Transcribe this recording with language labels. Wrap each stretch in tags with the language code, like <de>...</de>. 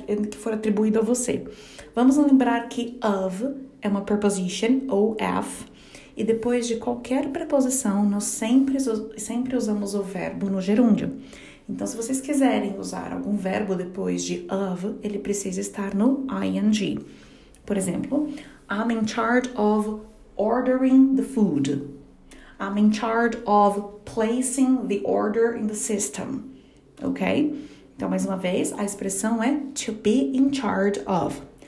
<pt>Que for atribuído a você. Vamos lembrar que of é uma preposition, ou F, e depois de qualquer preposição, nós sempre usamos o verbo no gerúndio. Então, se vocês quiserem usar algum verbo depois de of, ele precisa estar no ing.</pt> <en>Por exemplo, I'm in charge of ordering the food. I'm in charge of placing the order in the system. Ok?</en> <pt>Então, mais uma vez, a expressão é</pt> <en>to be in charge of.</en>